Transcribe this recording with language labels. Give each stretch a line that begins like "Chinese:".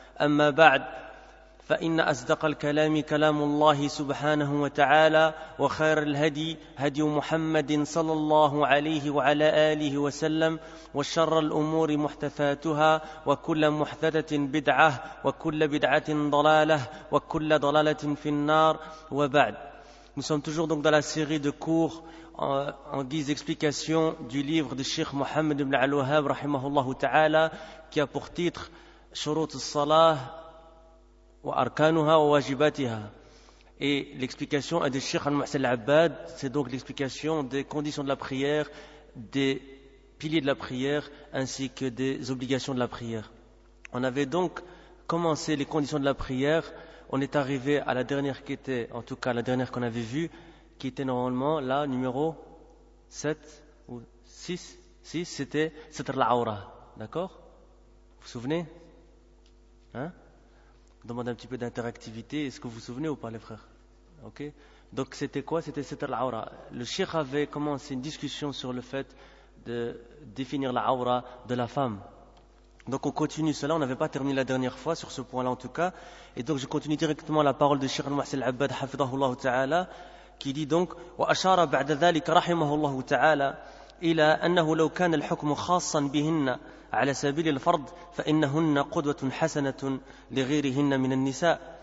Arabic: أما بعد، فإن أصدق الكلام كلام الله سبحانه وتعالى، وخير الهدي هدي محمد صلى الله عليه وعلى آله وسلم، وشر الأمور محدثاتها، وكل محدثة بدعة، وكل بدعة ضلالة، وكل ضلالة في النار، وبعد.
French: Nous sommes toujours donc dans la série de cours en guise d'explication du livre de Cheikh Mohammed ibn al-Wahhab rahimahullah ta'ala, qui a pour titre Shurut al-Salah
Arabic: وَأَرْكَانُهَا وَوَاجِبَاتِهَا.
French: Et l'explication est de Cheikh Al-Muhsin Al-Abbad, c'est donc l'explication des conditions de la prière, des piliers de la prière, ainsi que des obligations de la prière. On avait donc commencé les conditions de la prière, on est arrivé à la dernière qui était, en tout cas la dernière qu'on avait vue, qui était normalement la numéro 7 ou 6, 6 c'était Sitr al-Awra, d'accord ? Vous vous souvenez ? Hein ? Demande un petit peu d'interactivité. Est-ce que vous vous souvenez ou pas, les frères? Ok. Donc c'était quoi? C'était Sitr al-Awra. Le Cheikh avait commencé une discussion sur le fait de définir l'Awra de la femme. Donc on continue cela. On n'avait pas terminé la dernière fois sur ce point-là en tout cas. Et donc je continue directement la parole de Cheikh al-Muhsin al-Abbad, hafidhahullah ta'ala, qui dit donc
Arabic: وَأَشَارَ بَعْدَ ذَلِكَ رَحِمَهُ اللَّهُ تَعَالَى إِلَى أَنَّهُ لَوْ كَانَ الْحُكْمُ خَاصًا بِهِنَّ على سبيل الفرض فإنهن قدوة حسنة لغيرهن من النساء.